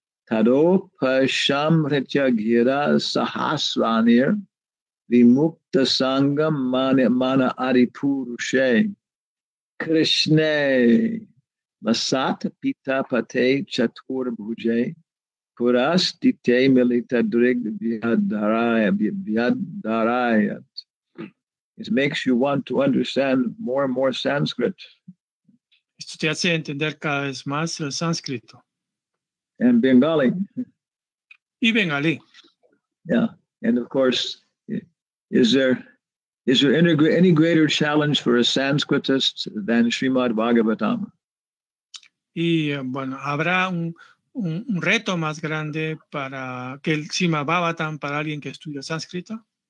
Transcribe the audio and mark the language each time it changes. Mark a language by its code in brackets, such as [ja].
[sa] Tado pasham rityagira sahasranir vimukta sangam mana adipuruse Krishne masat pita pate chatur bhuje puras dite milita drig vyadharayat. [en] It makes you want to understand more and more Sanskrit. [es] Esto te hace entender cada vez más el sánscrito. [en] And Bengali. [es] Y Bengali. [en] Yeah. And of course, is there any greater challenge for a Sanskritist than Srimad Bhagavatam? [es] Y bueno, habrá un reto más grande para que el Srimad Bhagavatam para alguien que estudia sánscrito?